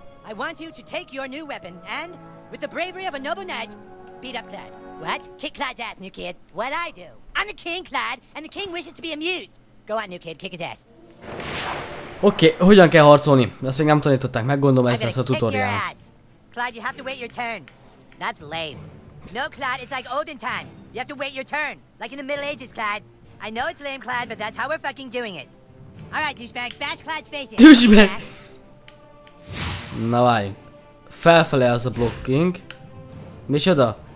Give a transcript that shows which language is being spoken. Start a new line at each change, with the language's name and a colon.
English: I want you to take your new weapon and, with the bravery of a noble knight, beat up Clad. What? Kick Clad's ass, new kid. What I do? I'm the king, Clad, and the king wishes to be amused. Go on, new kid, kick his ass.
Hungarian: Okay, hogyan kell harcolni? Ezt még nem tanították, meggondolom ezt lesz a tutorial.
English: Clad, you have to wait your turn. That's lame. No, Clad, it's like olden times. You have to wait your turn. Like in the Middle Ages, Clad. I know it's lame, Clad, but that's how we're fucking doing it. Alright, douchebag, bash Clad's face in.
Hungarian: Douchebag! Na várj, felfele az a blocking. Micsoda?